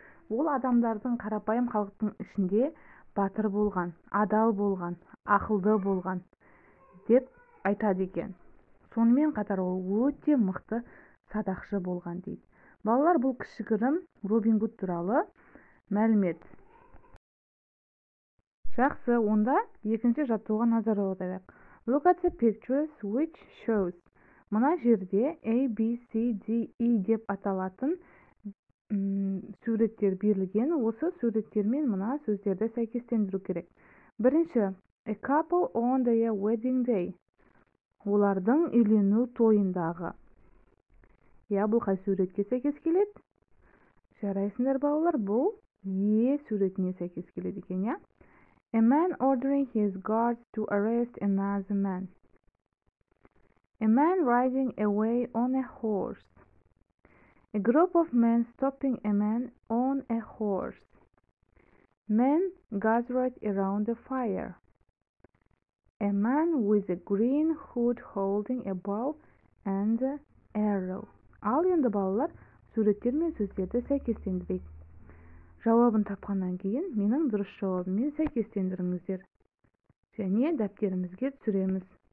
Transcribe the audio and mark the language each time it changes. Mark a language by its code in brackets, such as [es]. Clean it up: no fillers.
[kk] Ол адамдардың қарапайым халықтың ішінде батыр болған, адал болған, ақылды болған деп айтады екен. Сонымен қатар ол өте мықты садақшы болған дейді. Балалар, бұл кішігірім Робин Гуд туралы мәлімет. Жақсы, онда екінші жаттығуға назар аударайық. [en] Look at the pictures which shows. [kk] Мына жерде A, B, C, D, E деп аталатын суреттер берілген. Осы суреттермен мына сөздерді сәйкестендіру керек. Бірінші, [en] a couple on their wedding day. [kk] Олардың үйлену тойындағы. Я бұл қай суретке сәйкес келеді? Жарайсыңдар, балалар, бұл е суретіне сәйкес келеді екен, я? [en] A man ordering his guards to arrest another man. A man riding away on a horse. A group of men stopping a man on a horse. Men gathered around a fire. A man with a green hood holding a bow and an arrow. [kk] Ал енді, балалар, суреттер мен сөздерді сәйкестендірейік. Жауабын тапқаннан кейін менің дұрыс жауабыммен сәйкестендіріңіздер. Және дәптерімізге түсіреміз.